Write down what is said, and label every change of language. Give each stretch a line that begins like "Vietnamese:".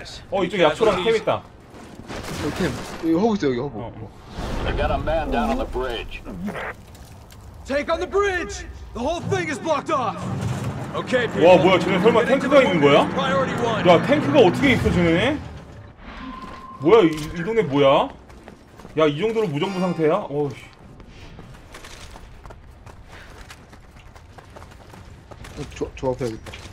Korean: 어, 이쪽에 약초랑 캠 있다. 여기 캠. 여기 허브 있어, 여기 허브.
English: I got a man down on the bridge. Take on the bridge! The whole thing is blocked off!
Korean: 와 뭐야 쟤네 설마 탱크가 있는 거야? 야 탱크가 어떻게 있어 쟤네? 뭐야 이 동네 뭐야? 야 이 정도로 무정부 상태야? 어이씨. 조합해야겠다.